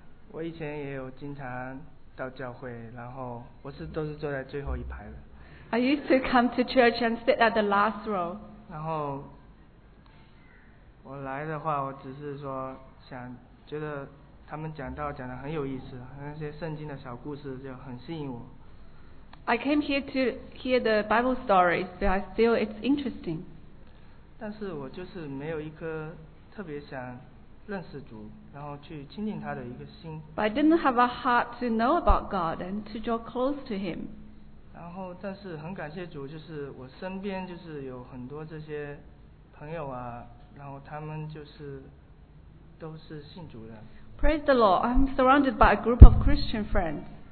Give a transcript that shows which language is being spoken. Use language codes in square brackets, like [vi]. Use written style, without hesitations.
[zh] 我以前也有经常到教会，然后我都是坐在最后一排的。 [en] I used to come to church and sit at the last row. [zh] 然后我来的话，我只是说想觉得他们讲的很有意思，那些圣经的小故事就很吸引我。 [en] I came here to hear the Bible stories, but I feel it's interesting. [zh] 但是我就是没有一颗特别想认识主，然后去亲近他的一个心。 [en] But I didn't have a heart to know about God and to draw close to Him. [zh] 然后但是很感谢主，就是我身边就是有很多这些朋友啊，然后他们就是都是信主的。 [en] Praise the Lord, I'm surrounded by a group of Christian friends.